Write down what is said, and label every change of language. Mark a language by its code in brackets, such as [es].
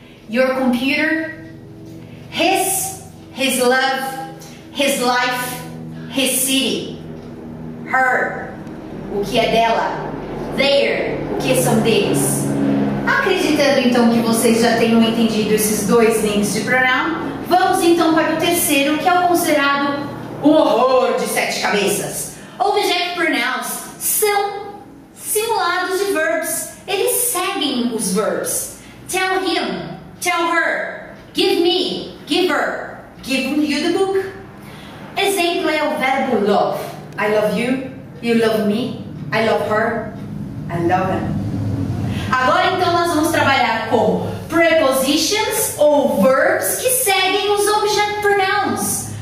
[en] Your computer, his, his love, his life, his city, her, [pt] o que é dela, [en] their, [pt] o que são deles. Acreditando então que vocês já tenham entendido esses dois links de pronoun, vamos então para o terceiro, que é o considerado o horror de sete cabeças. Object pronouns são simulados de verbs, eles seguem os verbs. [en] Tell him. Tell her, give me, give her, give you the book. [pt] Exemplo é o verbo love. [en] I love you, you love me, I love her, I love him. [pt] Agora então nós vamos trabalhar com prepositions ou verbs que seguem os object pronouns.